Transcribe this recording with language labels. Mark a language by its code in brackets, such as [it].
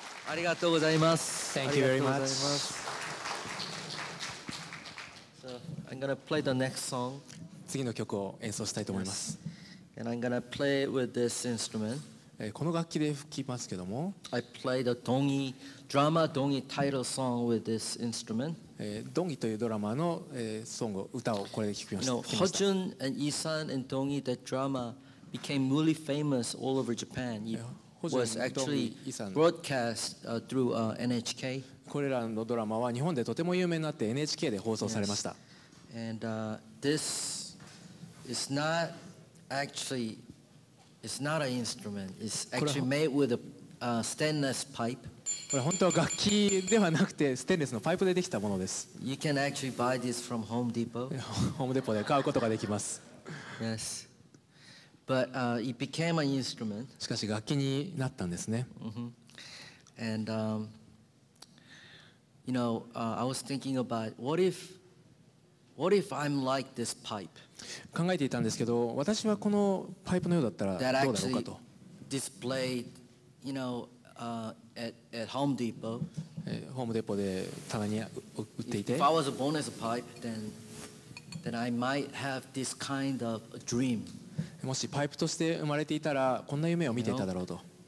[ja] ありがとうございます。 [en] Thank you very much. So, I'm gonna play the next song. [ja] 次の曲を演奏したいと思います。 [en] Yes. And I'm gonna play with this instrument. [ja] この楽器で吹きますけども。 [en] I play the Dongi, drama Dongi title song with this instrument. [ja] Dongi というドラマの、ソング、歌をこれで吹きました。 [en] You know, Ho-jun and Yi-san and Dongi, that drama became really famous all over Japan. Was actually broadcast through NHK. [ja] これらのドラマは日本でとても有名になって NHK で放送されました。 [en] Yes. And this is not actually it's not an instrument. It's actually made with a stainless pipe. [ja] これ本当は楽器ではなくてステンレスのパイプでできたものです。 [en] You can actually buy this from Home Depot. [ja] Home Depot で買うことができます。 [en] Yes. But it became an instrument. [ja] しかし楽器になったんですね。 Mm-hmm. [en] And you know, I was thinking about what if I'm like this pipe? [ja] 考えていたんですけど、私はこのパイプのようだったらどうだろうかと。 [en] That actually displayed, you know, at Home Depot. [ja] ホームデポで棚に売っていて。 [en] If I was born as a pipe, then I might have this kind of a dream. [ja] もしパイプとして生まれていたらこんな夢を見ていただろうと。